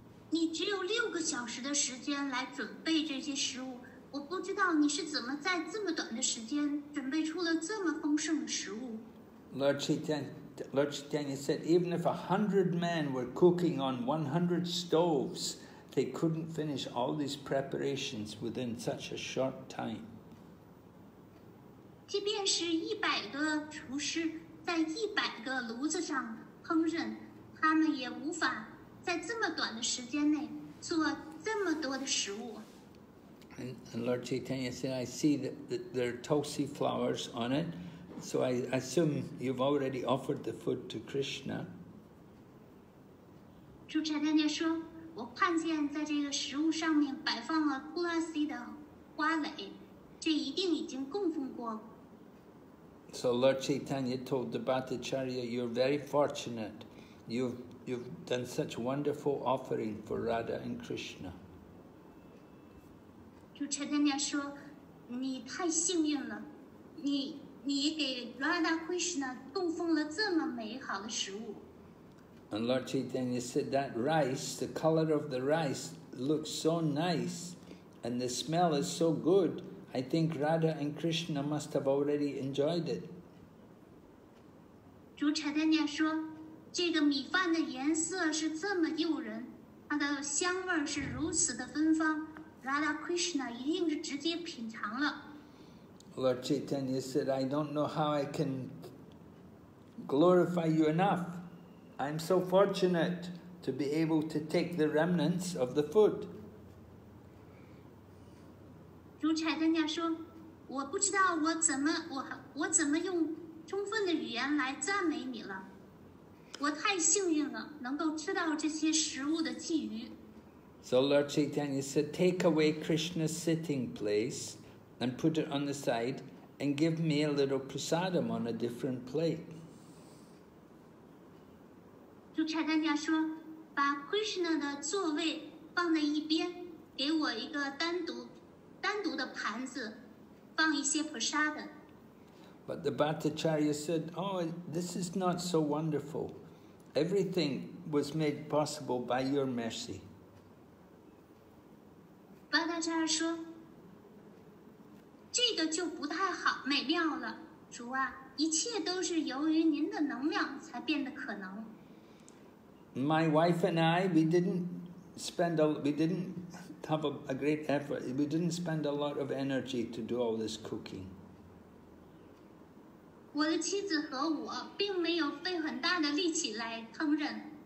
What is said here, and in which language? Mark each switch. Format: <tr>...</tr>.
<zh>你只有六个小时的时间来准备这些食物。我不知道你是怎么在这么短的时间准备出了这么丰盛的食物。</zh> <en>Lord Chaitanya said, even if 100 men were cooking on 100 stoves, they couldn't finish all these preparations within such a short time.</en> <zh>即便是100个厨师在100个炉子上烹饪，他们也无法在这么短的时间内做这么多的食物。</zh> <en>And Lord Chaitanya said, I see that there are tulsi flowers on it, so I assume you've already offered the food to Krishna.</en> <zh>主柴丹尼亚说，我看见在这个食物上面摆放了布拉西的花蕾，这一定已经供奉过。</zh> <en>So Lord Chaitanya told the Bhattacharya, you're very fortunate. You've done such wonderful offering for Radha and Krishna.</en> <zh>主柴丹尼亚说，你太幸运了，你给 Radha Krishna 供奉了这么美好的食物。</zh> <en>And Lord Chaitanya said that rice, the color of the rice looks so nice, and the smell is so good. I think Radha and Krishna must have already enjoyed it.</en> <zh>主柴丹尼亚说，这个米饭的颜色是这么诱人，它的香味是如此的芬芳。 Radha Krishna 一定是直接品尝了。</zh> <en>Lord Chaitanya said, I don't know how I can glorify you enough. I'm so fortunate to be able to take the remnants of the food.</en> <zh>主柴丹尼亚说，我不知道我怎么用充分的语言来赞美你了。我太幸运了，能够吃到这些食物的觊觎。</zh> <en>So Lord Chaitanya said, take away Krishna's sitting place and put it on the side and give me a little prasadam on a different plate.</en> <zh>主柴丹尼亚说，把 Krishna 的座位放在一边，给我一个单独的盘子，放一些 prasadam.</zh> <en>But the Bhattacharya said, oh, this is not so wonderful. Everything was made possible by your mercy.</en> <zh>巴达查尔说，这个就不太好，美妙了。主啊，一切都是由于您的能量才变得可能。</zh> <en>My wife and I, we didn't spend a lot of energy to do all this cooking.</en> <zh>我的妻子和我并没有费很大的力气来烹饪。</zh>